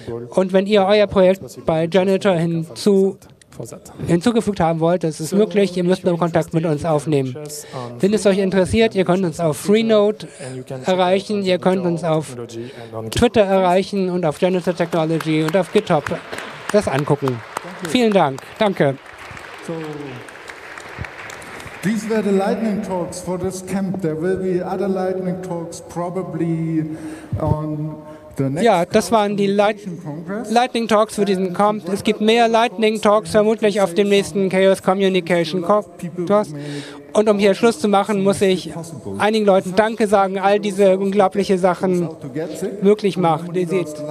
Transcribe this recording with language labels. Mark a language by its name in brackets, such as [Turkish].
[German] Und wenn ihr euer Projekt bei Janitor hinzugefügt haben wollt, das ist möglich, ihr müsst nur Kontakt mit uns aufnehmen. Wenn es euch interessiert, ihr könnt uns auf Freenode erreichen, ihr könnt uns auf Twitter erreichen und auf Janitor Technology und auf GitHub das angucken. Vielen Dank. Danke. [English] These were the lightning talks for this camp. There will be other lightning talks probably on the next. [German] Ja, das waren die Lightning Talks für diesen Camp. Es gibt mehr Lightning Talks vermutlich auf dem nächsten Chaos Communication Talk. Und um hier Schluss zu machen, muss ich einigen Leuten Danke sagen, all diese unglaublichen Sachen möglich machen, die sie.